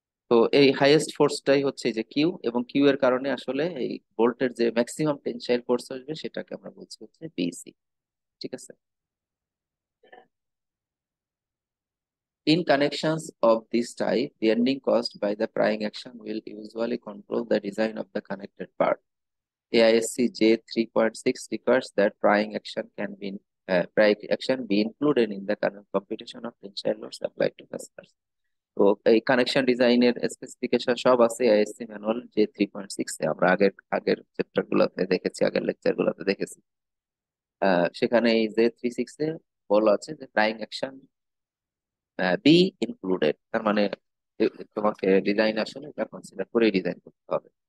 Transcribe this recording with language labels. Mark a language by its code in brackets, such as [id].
[bn] তো এই হাইয়েস্ট ফোর্সটাই হচ্ছে যে কিউ, এবং কিউ এর কারণে আসলে এই বোল্টের যে ম্যাক্সিমাম টেনসাইল ফোর্স আসবে সেটাকে আমরা বলছি হচ্ছে বিসি, ঠিক আছে। [en] In connection of this type the ending caused by the prying action will usually control the design of the connected part. AISC J3.6 requires that prying action can be pry action be included in the computation of tensile loads applied to the surface. [bn] তো এই connection ডিজাইনের specification সব আছে AISC manual J3.6 এ, আমরা আগের আগের chapter গুলোতে দেখেছি, আগের লেকচার গুলোতে দেখেছি, সেখানে এই J3.6 এ বলা আছে যে [en] prying action be included, [bn] তার মানে তোমাকে ডিজাইন আসলে এটা কনসিডার করেই ডিজাইন করতে হবে।